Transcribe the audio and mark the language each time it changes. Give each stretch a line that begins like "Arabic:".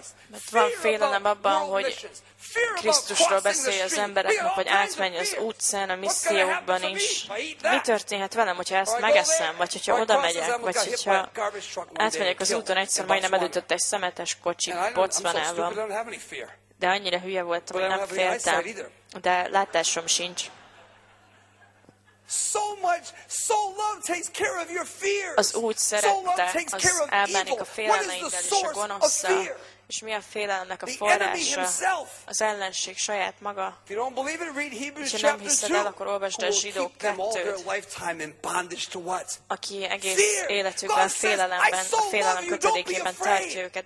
Hungarian: Mert van félelem abban, hogy Krisztusról beszélj az embereknek, hogy átmenj az utcán, a misszióban is. Mi történhet velem, hogyha ezt megeszem, vagy hogyha oda megyek, vagy hogyha átmegyek az úton, egyszer majdnem elütött egy szemetes kocsi bocmanában. De annyira hülye voltam, hogy nem féltem. De látásom sincs.
English: So much, so love takes care of your fears.
Hungarian: Az úgy szerette, az elmenik a félelmeiddel és a gonoszszal. És mi a félelemnek a forrása? Az ellenség saját maga. És ha nem hiszed el, akkor olvasd a Zsidók 2-t, aki egész életükben félelemben, a félelem kötelékében tartja őket.